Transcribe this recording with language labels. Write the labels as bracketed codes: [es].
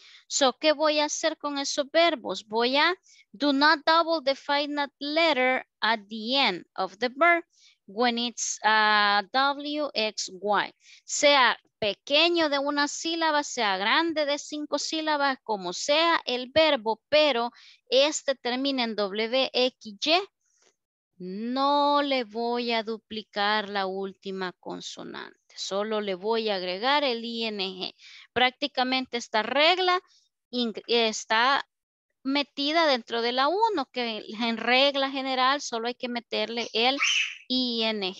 [es] So, ¿qué voy a hacer con esos verbos? Voy a [en] do not double the final letter at the end of the verb when it's WXY. [es] Sea pequeño de una sílaba, sea grande de cinco sílabas, como sea el verbo, pero este termina en WXY, no le voy a duplicar la última consonante. Solo le voy a agregar el ing. Prácticamente esta regla está metida dentro de la 1, que en regla general solo hay que meterle el ing.